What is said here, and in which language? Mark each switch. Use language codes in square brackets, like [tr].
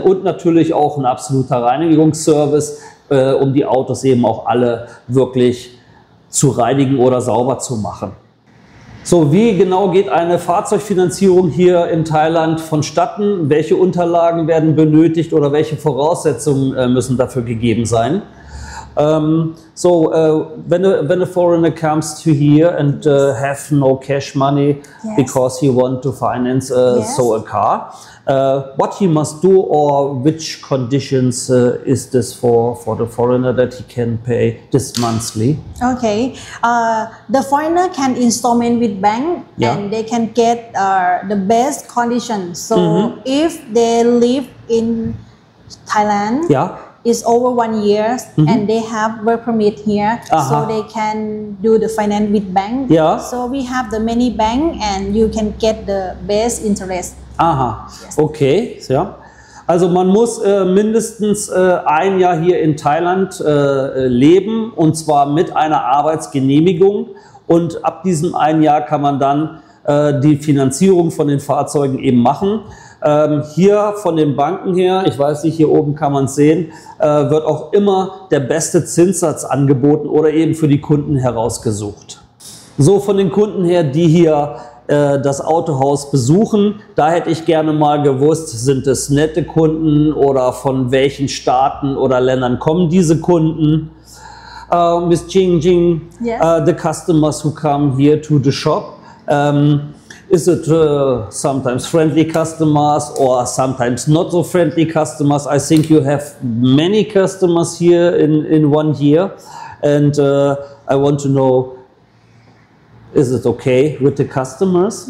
[de] Und natürlich auch ein absoluter Reinigungsservice, um die Autos eben auch alle wirklich zu reinigen oder sauber zu machen. So, wie genau geht eine Fahrzeugfinanzierung hier in Thailand vonstatten? Welche Unterlagen werden benötigt oder welche Voraussetzungen müssen dafür gegeben sein? [en] When a foreigner comes to here and have no cash money, yes. because he want to finance yes. so a car, what he must do or which conditions is this for the foreigner that he can pay this monthly? Okay, the foreigner can installment with bank, yeah. and they can get the best conditions. So mm-hmm. if they live in Thailand, yeah. is over 1 year, mm-hmm. and they have work permit here, uh-huh. so they can do the finance with bank. Yeah. So we have the many bank, and you can get the best interest. Aha. Uh-huh. Yes. Okay. So, [de] Also man muss mindestens ein Jahr hier in Thailand leben, und zwar mit einer Arbeitsgenehmigung. Und ab diesem ein Jahr kann man dann die Finanzierung von den Fahrzeugen eben machen. Hier von den Banken her, ich weiß nicht, hier oben kann man es sehen, wird auch immer der beste Zinssatz angeboten oder eben für die Kunden herausgesucht. So, von den Kunden her, die hier das Autohaus besuchen, da hätte ich gerne mal gewusst, sind es nette Kunden oder von welchen Staaten oder Ländern kommen diese Kunden? [en] Miss Jingjing, yes. The customers who come here to the shop, is it sometimes friendly customers or sometimes not so friendly customers? I think you have many customers here in 1 year, and I want to know, is it okay with the customers?